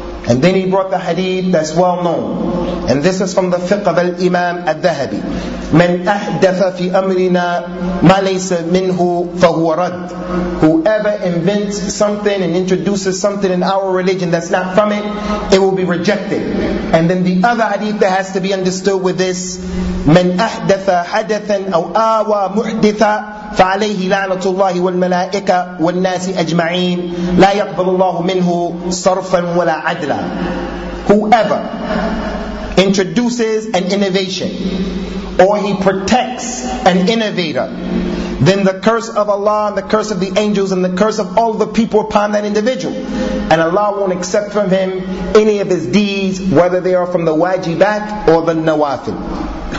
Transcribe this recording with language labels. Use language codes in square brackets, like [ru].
[en] And then he brought the hadith that's well known, and this is from the fiqh of al-Imam al-Dhahabi: [ar] من أحدث في أمرنا ما ليس منه فهو رد. [en] Whoever invents something and introduces something in our religion that's not from it, it will be rejected. And then the other hadith that has to be understood with this: [ar] من أحدث حدثا أو آوى محدثا فعليه لعنة الله والملائكة والناس أجمعين لا يقبل الله منه صرفا ولا عدلا. [en] Whoever introduces an innovation, or he protects an innovator, then the curse of Allah and the curse of the angels and the curse of all the people upon that individual. And Allah won't accept from him any of his deeds, whether they are from the wajibat or the nawafil.